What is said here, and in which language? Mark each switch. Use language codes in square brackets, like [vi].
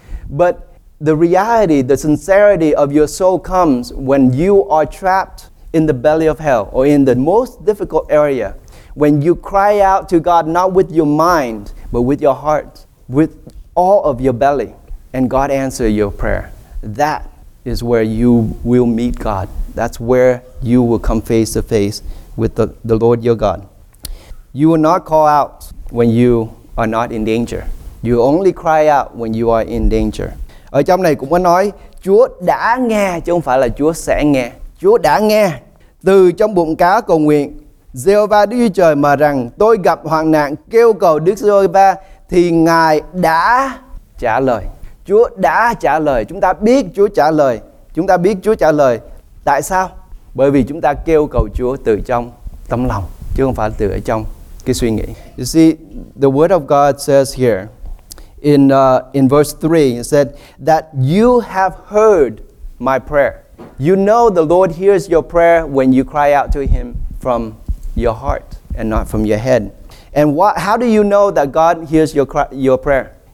[en] But the reality, the sincerity of your soul comes when you are trapped in the belly of hell or in the most difficult area, when you cry out to God, not with your mind, but with your heart, with all of your belly, and God answers your prayer. That is where you will meet God. That's where you will come face to face with the Lord your God. You will not call out when you are not in danger. You only cry out when you are in danger. [vi] Ở trong này cũng có nói Chúa đã nghe chứ không phải là Chúa sẽ nghe. Chúa đã nghe. Từ trong bụng cá cầu nguyện, Giê-hô-va Đức Chúa Trời mà rằng tôi gặp hoạn nạn kêu cầu Đức Giê-hô-va thì Ngài đã trả lời. Chúa đã trả lời. Chúng ta biết Chúa trả lời. Chúng ta biết Chúa trả lời. Tại sao? Bởi vì chúng ta kêu cầu Chúa từ trong tâm lòng chứ không phải từ ở trong cái suy nghĩ. [en] You see, the word of God says here in verse 3, it said that you have heard my prayer. You know the Lord hears your prayer when you cry out to him from your heart and not from your head. And how do you know that God hears your prayer?